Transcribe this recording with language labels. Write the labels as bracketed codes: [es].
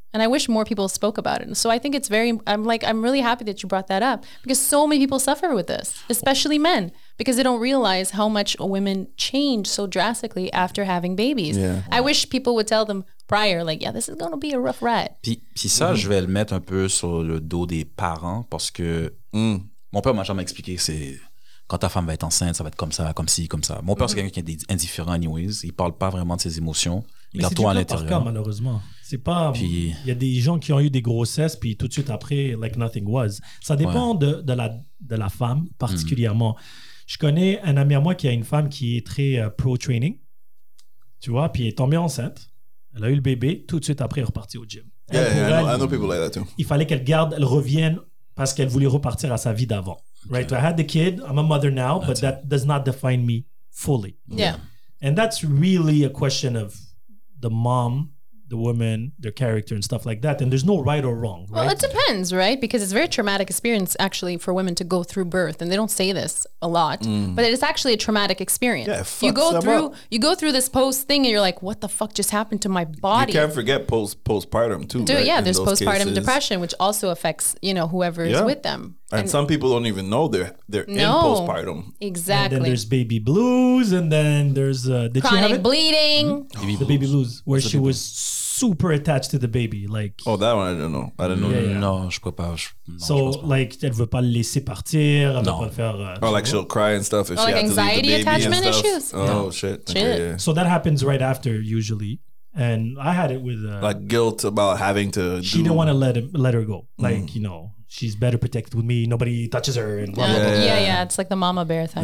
[en] And I wish more people spoke about it. So I think it's very, I'm really happy that you brought that up, because so many people suffer with this, especially men, because they don't realize how much women change so drastically after having babies. Yeah. I wish people would tell them prior, like, yeah, this is going to be a rough ride. [fr] Puis ça, je vais le mettre un peu sur le dos des parents, parce que mon père m'a jamais expliqué, c'est quand ta femme va être enceinte, ça va être comme ça, comme ci, comme ça. Mon père, c'est quelqu'un qui est indifférent anyways. Il parle pas vraiment de ses émotions. Il a tout à l'intérieur. C'est du cas, malheureusement. C'est pas. Il y a des gens qui ont eu des grossesses, puis tout de suite après, [en] like nothing was. [fr] Ça dépend de la femme particulièrement. Je connais un ami à moi qui a une femme qui est très pro-training, tu vois, puis elle est tombée enceinte. Elle a eu le bébé, tout de suite après, elle est repartie au gym. [en] I know people like that too. [fr] Il fallait qu'elle garde, elle revienne parce qu'elle voulait repartir à sa vie d'avant. [en] Okay. Right? So I had the kid, I'm a mother now, but that does not define me fully. Yeah. And that's really a question of the mom, the woman, their character and stuff like that. And there's no right or wrong. Well, it depends, right? Because it's a very traumatic experience actually for women to go through birth. And they don't say this a lot, but it is actually a traumatic experience. Yeah, fuck, you go through this post thing and you're like, what the fuck just happened to my body? You can't forget postpartum too. Right? Yeah, there's postpartum cases. Depression, which also affects, you know, whoever is with them. And some people don't even know they're in postpartum. Exactly. And then there's baby blues, and then there's chronic bleeding. The baby blues, where she was super attached to the baby, like. Oh, that one I don't know. I don't know. Yeah, yeah. No, [fr] je crois pas. [en] So like, [fr] elle veut pas le laisser partir. Elle veut pas le faire. [en] Oh, like she'll cry and stuff if she has to leave the baby. Like anxiety attachment issues. Oh no. Shit. Okay, yeah. So that happens right after usually. And I had it with like guilt about having to. She didn't want to let her go. Like, you know, she's better protected with me. Nobody touches her. And blah, blah, blah. Yeah. It's like the mama bear thing.